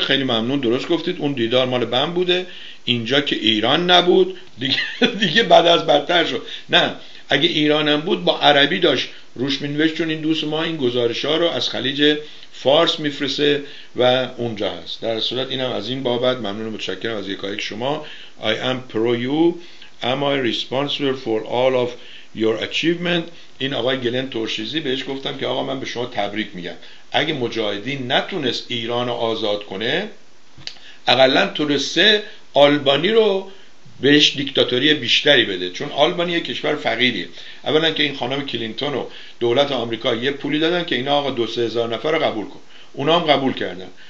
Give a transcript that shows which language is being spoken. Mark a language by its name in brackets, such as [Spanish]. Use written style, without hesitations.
[Persian] خیلی ممنون، درست گفتید، اون دیدار مال بم بوده، اینجا که ایران نبود دیگه، بعد از بدتر شد. نه اگه ایرانم بود با عربی داشت روش می‌نوشت، چون این دوست ما این گزارش ها رو از خلیج فارس میفرسه و اونجا هست. در صورت اینم از این بابت ممنون و متشکرم از یکایک که شما. [English] I am pro you, am I responsible for all of your achievement. [Persian] این آقای گلن ترشیزی، بهش گفتم که آقا من به شما تبریک میگم، اگه مجاهدین نتونست ایران رو آزاد کنه، اقلا تونسته آلبانی رو بهش دیکتاتوری بیشتری بده، چون آلبانی یک کشور فقیریه. اولا که این خانم کلینتون و دولت آمریکا یه پولی دادن که اینا آقا 2000 نفر رو قبول کن، اونا هم قبول کردن.